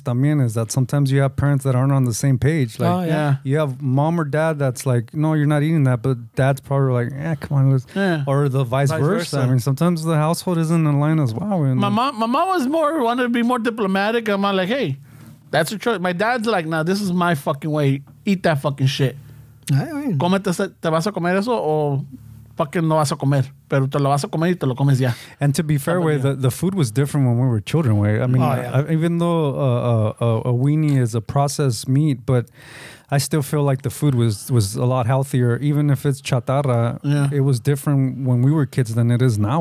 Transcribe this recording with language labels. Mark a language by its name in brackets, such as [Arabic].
[Spanish] También [English] is that sometimes you have parents that aren't on the same page. Like, you have mom or dad that's like, no, you're not eating that. But dad's probably like, yeah, come on, let's. Yeah. Or the vice versa. I mean, sometimes the household isn't in line as well. You know? My mom was more wanted to be more diplomatic. I'm like, hey, that's your choice. My dad's like, no, this is my fucking way. Eat that fucking shit. I mean, [Spanish] ¿te vas a comer eso o [English] fucking [Spanish] no vas a comer? Pero te lo vas a comer y te lo comes ya. [English] And to be fair, way, the food was different when we were children. Way, I mean, even though a weenie is a processed meat, but I still feel like the food was a lot healthier. Even if it's [Spanish] chatarra, [English] it was different when we were kids than it is now.